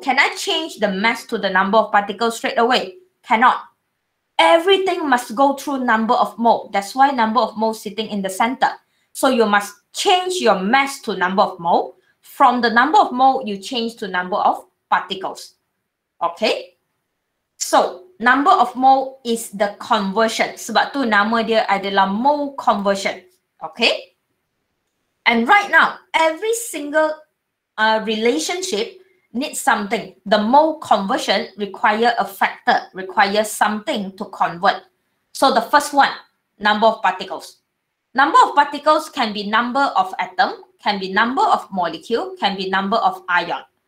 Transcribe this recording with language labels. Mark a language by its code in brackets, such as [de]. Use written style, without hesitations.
[en] Can I change the mass to the number of particles straight away? Cannot. Everything must go through number of mole. That's why number of mole sitting in the center. So you must change your mass to number of mole. From the number of mole, you change to number of particles. Okay? So, number of mole is the conversion. [ms] Sebab tu nama dia adalah mole conversion. [en] Okay? And right now, every single relationship needs something. The mole conversion require a factor, require something to convert. So the first one, number of particles. Number of particles can be number of atom, can be number of molecule, can be number of ion.